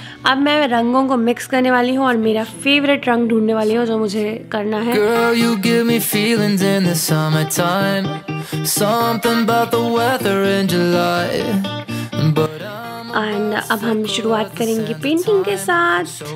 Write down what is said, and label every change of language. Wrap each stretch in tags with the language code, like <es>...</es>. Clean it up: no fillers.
<hi>अब मैं रंगों को मिक्स करने वाली हूँ और मेरा फेवरेट रंग ढूंढने वाली हूँ जो मुझे करना है.</hi> <en>Girl, you give me feelings in the summertime. Something about the weather in July. But</en> <hi>and अब हम शुरुआत करेंगे पेंटिंग के साथ.</hi>